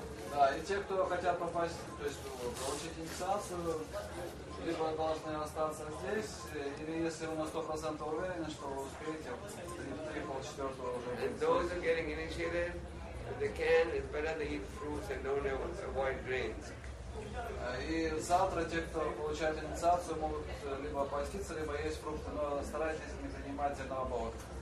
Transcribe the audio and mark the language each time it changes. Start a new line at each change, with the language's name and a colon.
Russian: Да, и те, кто хотят попасть, то есть получить инициацию, либо должны остаться здесь, или если у нас 100% уверенность, что вы успеете, три полчетвертого уже.
English: And those who are getting initiated, if they can, it's better to eat fruits and don't avoid grains.
Russian: И завтра те, кто получает инициацию, могут либо поститься, либо есть фрукты, но старайтесь не принимать зерновых.